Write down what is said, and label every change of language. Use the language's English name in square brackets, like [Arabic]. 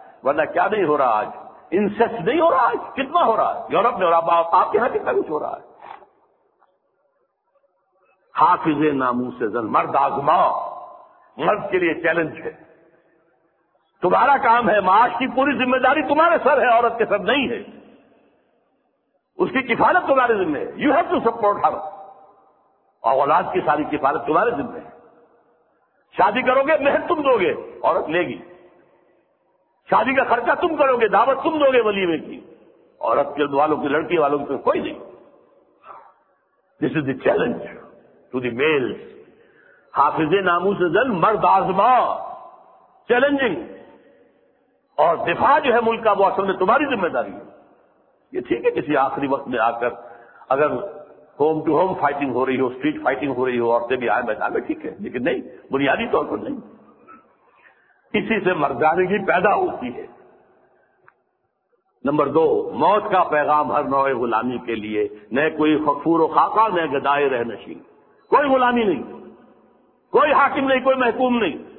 [Urdu] ورنہ کیا نہیں ہو رہا آج؟ انسیسٹ نہیں ہو رہا آج؟ کتنا ہو رہا ہے یورپ میں؟ اور آپ کے یہاں کتنا کچھ ہو رہا ہے؟ [Persian] حافظ ناموس زن مرد آزما، [Urdu] مرد کے لیے چیلنج ہے، تمہارا کام ہے، معاش کی پوری ذمہ داری تمہارے سر ہے، عورت کے سر نہیں ہے، اس کی کفالت تمہارے ذمہ ہے، [English] you have to support her, [Urdu] اور اولاد کی ساری کفالت تمہارے ذمہ ہے. شادی کرو گے مہر تم دو گے، عورت لے گی، شادی کا خرچہ تم کرو گے، دعوت تم دو گے ولیمے کی، عورت کے والوں کی لڑکی والوں کی کوئی نہیں. [English] this is the challenge to the males, [Persian] حافظ ناموس زن مرد آزما، [English] Challenging. [Urdu] اور دفاع جو ہے ملک کا وہ اصل میں تمہاری ذمہ داری ہے. یہ ٹھیک ہے کسی آخری وقت میں آ کر اگر ہوم ٹو ہوم فائٹنگ ہو رہی ہو، اسٹریٹ فائٹنگ ہو رہی ہو، عورتیں بھی آئیں بیٹھا میں ٹھیک ہے، لیکن نہیں، بنیادی طور پر نہیں. اسی سے مردانگی پیدا ہوتی ہے. نمبر دو، موت کا پیغام ہر نوع غلامی کے لیے، [Persian] نہ کوئی خفور و خاکہ نہ گدائے رہنشین، [Urdu] کوئی غلامی نہیں، کوئی حاکم نہیں، کوئی محکوم نہیں.